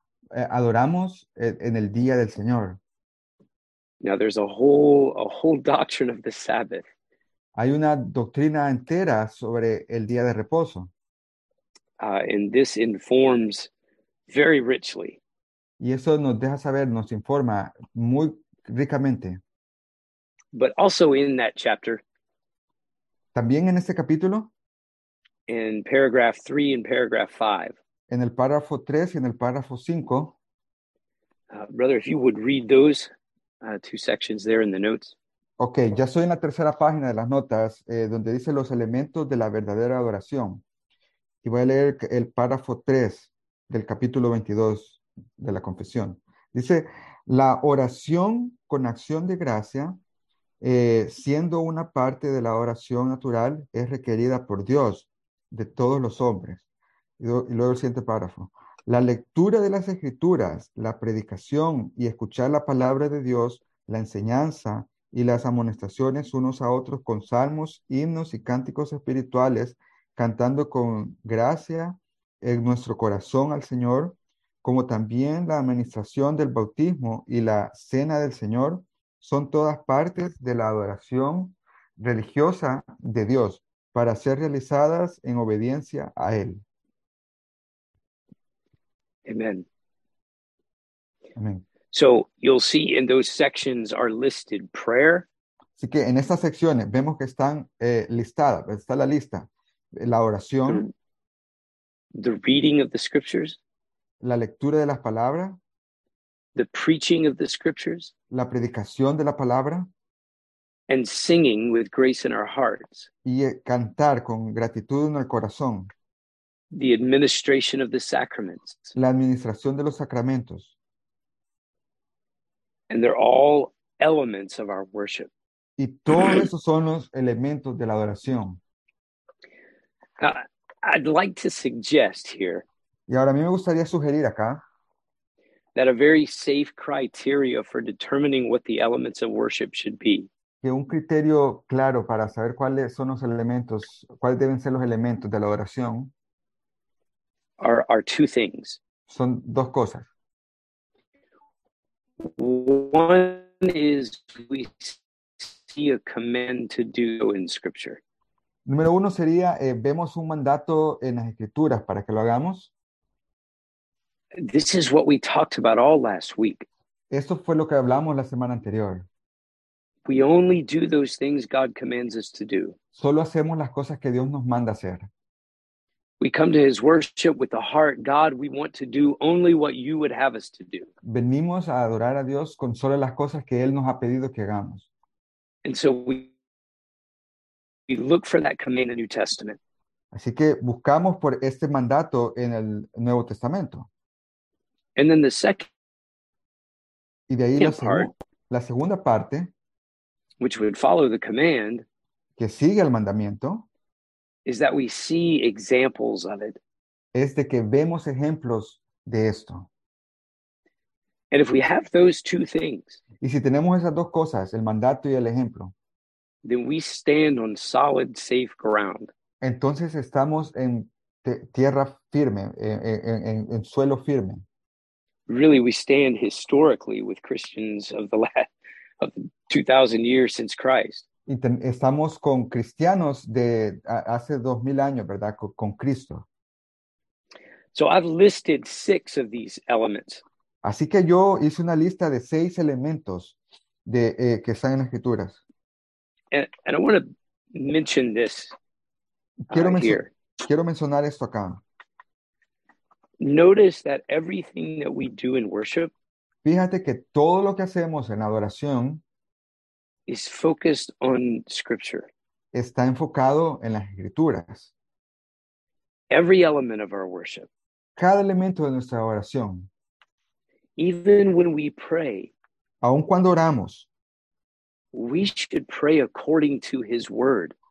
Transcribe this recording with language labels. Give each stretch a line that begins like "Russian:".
Spanish: Adoramos en el día del Señor.
English: Now there's a whole doctrine of the Sabbath.
Spanish: Hay una doctrina entera sobre el día de reposo.
English: And this informs very richly.
Spanish: Y eso nos deja saber, nos informa muy ricamente.
English: But also in that chapter,
Spanish: también en este capítulo,
English: in paragraph 3 and paragraph 5,
Spanish: en el párrafo 3 y en el párrafo 5,
English: brother, if you would read those two sections there in the notes.
Spanish: Okay, ya estoy en la tercera página de las notas, donde dice los elementos de la verdadera adoración. Y voy a leer el párrafo 3 del capítulo 22. De la confesión. Dice, la oración con acción de gracia, siendo una parte de la oración natural, es requerida por Dios de todos los hombres. Y luego el siguiente párrafo. La lectura de las escrituras, la predicación y escuchar la palabra de Dios, la enseñanza y las amonestaciones unos a otros con salmos, himnos y cánticos espirituales, cantando con gracia en nuestro corazón al Señor, como también la administración del bautismo y la cena del Señor, son todas partes de la adoración religiosa de Dios para ser realizadas en obediencia a Él.
English: Amen.
Spanish: Amén.
English: So you'll see in those sections are listed prayer.
Spanish: Así que en estas secciones vemos que están listadas, está la lista, la oración,
English: the reading of the scriptures.
Spanish: La lectura de las palabras.
English: The preaching of the scriptures.
Spanish: La predicación de la palabra.
English: And singing with grace in our hearts.
Spanish: Y cantar con gratitud en el corazón.
English: The administration of the sacraments.
Spanish: La administración de los sacramentos.
English: And they're all elements of our worship.
Spanish: Y todos esos son los elementos de la adoración.
English: I'd like to suggest here.
Spanish: Y ahora a mí me gustaría sugerir acá
English: that a very safe criteria for determining what the elements of worship should be.
Spanish: Que un criterio claro para saber cuáles son los elementos, cuáles deben ser los elementos de la oración
English: are two things.
Spanish: Son dos cosas.
English: One is we see a command to do in scripture.
Spanish: Número uno sería, vemos un mandato en las escrituras para que lo hagamos.
English: This is what we talked about all last week.
Spanish: Esto fue lo que hablamos la semana anterior.
English: We only do those things God commands us to do.
Spanish: Solo hacemos las cosas que Dios nos manda hacer.
English: We come to his worship with a heart, God, we want to do only what you would have us to do.
Spanish: Venimos a adorar a Dios con solo las cosas que él nos ha pedido que hagamos.
English: And so we look for that command in the New Testament.
Spanish: Así que buscamos por este mandato en el Nuevo Testamento.
English: And then the second
Spanish: y de ahí la part, la segunda parte,
English: which would follow the command,
Spanish: que sigue el mandamiento,
English: is that we see examples of it.
Spanish: Es de que vemos ejemplos de esto.
English: And if we have those two things,
Spanish: y si tenemos esas dos cosas, el mandato y el ejemplo,
English: then we stand on solid, safe ground.
Spanish: Entonces estamos en tierra firme, en suelo firme.
English: Really, we stand historically with Christians of the last of 2,000 years since Christ.
Spanish: Estamos con cristianos de hace 2,000 años, ¿verdad? Con Cristo.
English: So I've listed six of these elements.
Spanish: Así que yo hice una lista de seis elementos de que están en las escrituras.
English: And I want to mention this here.
Spanish: Quiero mencionar esto acá.
English: Notice that everything that we do in worship,
Spanish: fíjate que todo lo que hacemos en adoración,
English: is focused on scripture.
Spanish: Está enfocado en las escrituras.
English: Every element of our worship.
Spanish: Cada elemento de nuestra oración.
English: Even when we pray,
Spanish: aun cuando oramos,
English: we should pray according to his word.